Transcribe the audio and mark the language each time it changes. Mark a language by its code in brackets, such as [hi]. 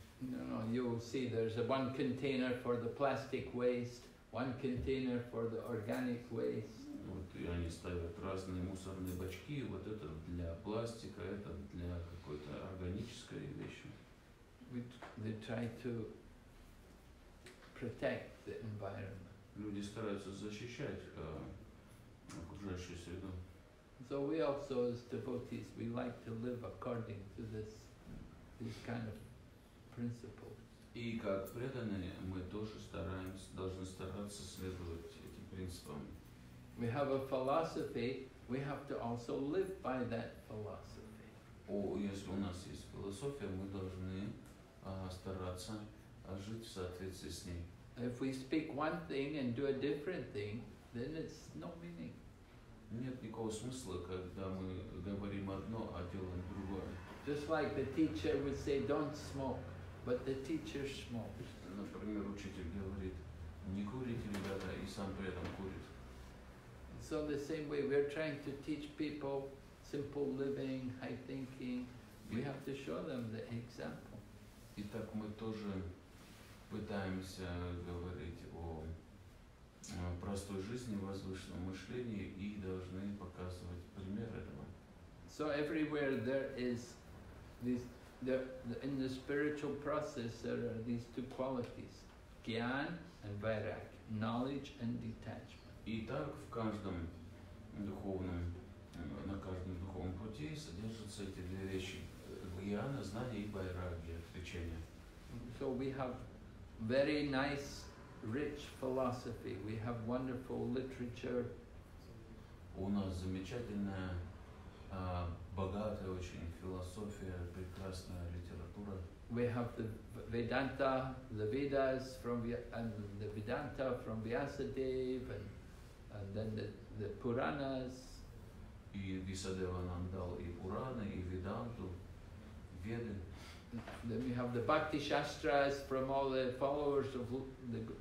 [en] No, you'll see there's one container for the plastic waste, one container for the organic waste. [ru] Вот и они ставят разные мусорные бачки, вот это для пластика, это для какой-то органической вещи. [en] They try to protect the environment. [ru] Люди стараются защищать окружающую среду. [en] So we also as devotees, we like to live according to this kind of principle. [ru] И как преданные, мы тоже должны стараться следовать этим принципам. [en] We have a philosophy, we have to also live by that philosophy. [ru] Если у нас есть философия, мы должны стараться жить в соответствии с ней. [en] If we speak one thing and do a different thing, then it's no meaning. [ru] Нет никакого смысла, когда мы говорим одно, а делаем другое. [en] Just like the teacher would say, don't smoke, but the teacher smokes. [ru] Например, учитель говорит, не курите, ребята, и сам при этом курит. [en] So the same way we're trying to teach people simple living, high thinking, we have to show them the example. [ru] И так мы тоже пытаемся говорить о простой жизни, возвышенном мышлении и должны показывать пример этого. [en] So everywhere there is in the spiritual process there are these two qualities, gyan and vairag, knowledge and detachment. [ru] И так в каждом духовном, на каждом духовном пути содержатся эти две вещи: гьяна, знание и байрагья, отречение. [en] So we have very nice, rich philosophy. We have wonderful literature. [ru] У нас замечательная, богатая очень философия, прекрасная литература. [en] We have the Vedanta, the Vedas from the Vedanta from Vyasadeva and then the Puranas. [ru] И Висадева нам дал и Пураны, и Веданту, Веды. [en] Then we have the Bhakti Shastras from all the followers of the